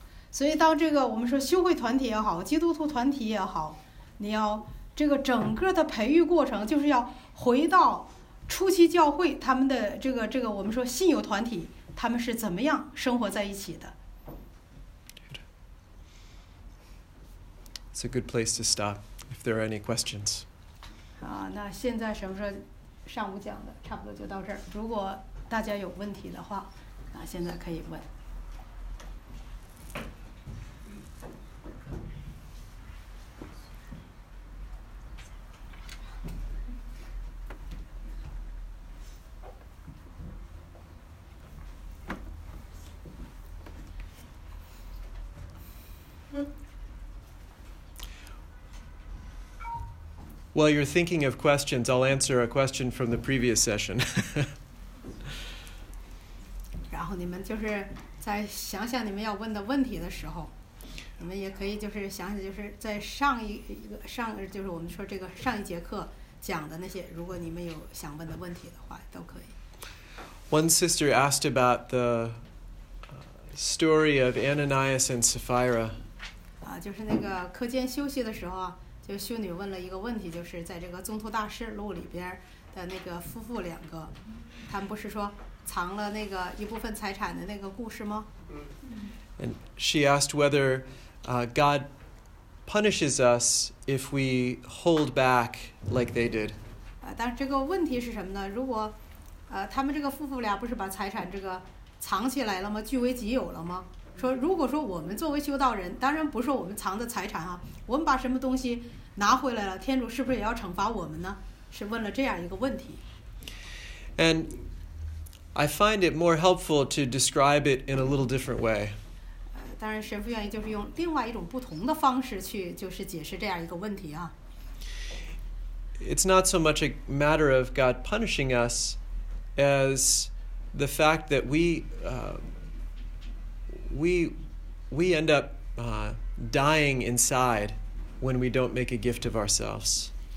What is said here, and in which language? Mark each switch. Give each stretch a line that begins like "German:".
Chinese: 所以到这个我们说修会团体也好，基督徒团体也好，你要这个整个的培育过程就是要回到初期教会他们的这个我们说信友团体他们是怎么样生活在一起的。
English: It's a good place to stop if there are any questions.
Chinese: 那现在什么时候？上午讲的差不多就到这儿，如果大家有问题的话，那现在可以问。
English: While you're thinking of questions, I'll answer a question from the previous session.
Chinese: 然后你们就是在想想你们要问的问题的时候，你们也可以就是想想就是在上一个就是我们说这个上一节课讲的那些，如果你们有想问的问题的话，都可以。
English: One sister asked about the story of Ananias and Sapphira.
Chinese: 就是那个课间休息的时候啊。就修女问了一个问题，就是在这个宗徒大事录里边的那个夫妇两个，他们不是说藏了那个一部分财产的那个故事吗？
English: And she asked whether God punishes us if we hold back like they did.
Chinese: 但这个问题是什么呢？如果他们这个夫妇俩不是把财产这个藏起来了吗？据为己有了吗？说如果说我们作为修道人，当然不是我们藏的财产啊，我们把什么东西拿回来了，天主是不是也要惩罚我们呢？是问了这样一个问题。
English: And I find it more helpful to describe it in a little different way.
Chinese: 当然神父愿意就是用另外一种不同的方式去就是解释这样一个问题啊。
English: It's not so much a matter of God punishing us as the fact that we end up dying inside when we don't make a gift of ourselves.